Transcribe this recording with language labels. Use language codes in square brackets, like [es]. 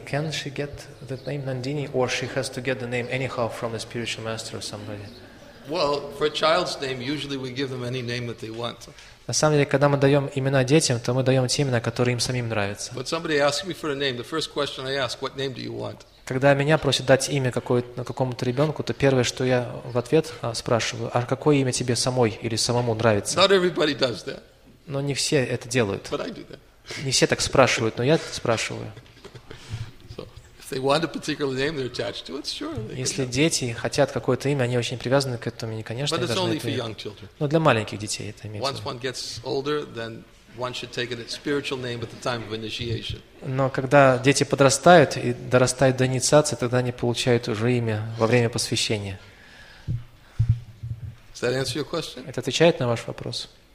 [en] Can she get the name Nandini, or she has to get the name anyhow from a spiritual master or somebody? Well, for a child's name, usually we give them any name that they want. [ru] На самом деле, когда мы даем имена детям, то мы даем те имена, которые им самим нравятся. [en] But somebody asks me for a name. The first question I ask: What name do you want? [ru] Когда меня просят дать имя какому-то ребенку, то первое, что я в ответ спрашиваю: А какое имя тебе самой или самому нравится? [en] Not everybody does that. [ru] Но не все это делают. [en] But I do that. [ru] Не все так спрашивают, но я спрашиваю. [en] So, if they want a particular name, they're attached to it, sure. [ru] Если дети хотят какое-то имя, они очень привязаны к этому имени, конечно. [en] But it's only for young children. [ru] Но для маленьких детей это имеет. [en] Once one gets older, then one should take a spiritual name at the time of initiation. [ru] Но когда дети подрастают и дорастают до инициации, тогда они получают уже имя во время посвящения. [en] Does that answer your question? [ru] Это отвечает на ваш вопрос?